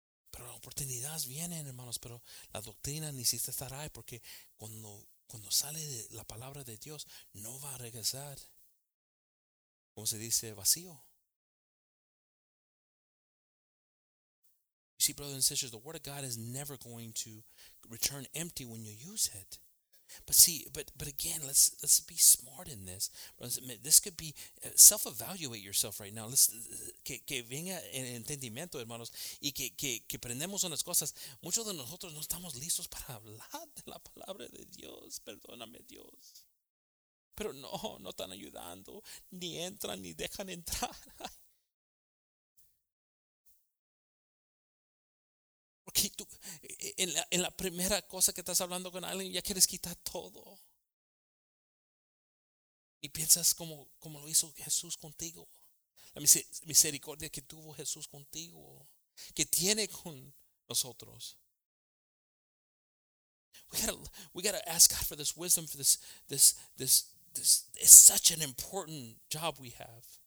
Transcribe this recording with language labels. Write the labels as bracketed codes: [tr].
[es] Pero las oportunidades vienen, hermanos. Pero la doctrina necesita estar ahí, porque cuando sale de la palabra de Dios, no va a regresar, ¿cómo se dice?, vacío. [en] You see, brothers and sisters, the word of God is never going to return empty when you use it. But see, but again, let's be smart in this. This could be, self-evaluate yourself right now. [es] Que venga el entendimiento, hermanos, y que aprendemos unas cosas. Muchos de nosotros no estamos listos para hablar de la palabra de Dios. Perdóname, Dios. Pero no, no están ayudando. Ni entran, ni dejan entrar. Porque tú, en la primera cosa que estás hablando con alguien, ya quieres quitar todo. Y piensas como lo hizo Jesús contigo. La misericordia que tuvo Jesús contigo, que tiene con nosotros. [en] We gotta ask God for this wisdom, for this is such an important job we have.